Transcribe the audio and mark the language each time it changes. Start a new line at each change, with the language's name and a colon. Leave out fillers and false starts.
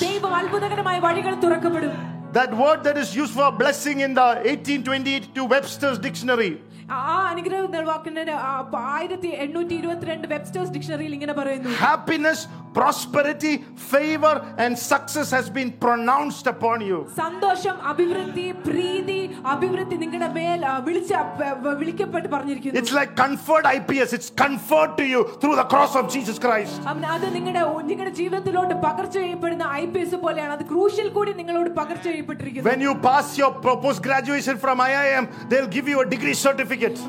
English: That word that is used for blessing in the 1822 Webster's dictionary. Happiness, prosperity, favor and success has been pronounced upon you.
Malayalam: സന്തോഷം, അഭിവൃദ്ധി, പ്രീതി, അഭിവൃദ്ധി നിങ്ങളുടെ മേൽ വിളിക്കപ്പെട്ടു പറഞ്ഞിരിക്കുന്നു.
English: It's like conferred IPS. It's conferred to you through the cross of Jesus Christ.
Malayalam: അത് നിങ്ങളുടെ ജീവിതത്തിലോട്ട് പകർച്ച ചെയ്യപ്പെടുന്ന IPS പോലെയാണ്. അത് ക്രൂശിൽ കൂടി നിങ്ങളോട് പകർച്ച ചെയ്യപ്പെട്ടിരിക്കുന്നു.
English: When you pass your post graduation from IIM, they'll give you a degree certificate.